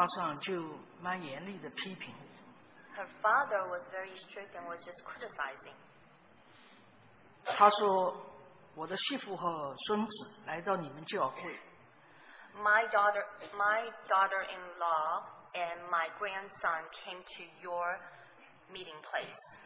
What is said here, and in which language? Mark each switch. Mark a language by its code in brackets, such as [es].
[zh] 他爸爸在电话上就蛮严厉的批评。 [en] Her father was very strict and was just criticizing. [zh] 他说我的媳妇和孙子来到你们教会。 [en] My daughter-in-law and my grandson came to your meeting place.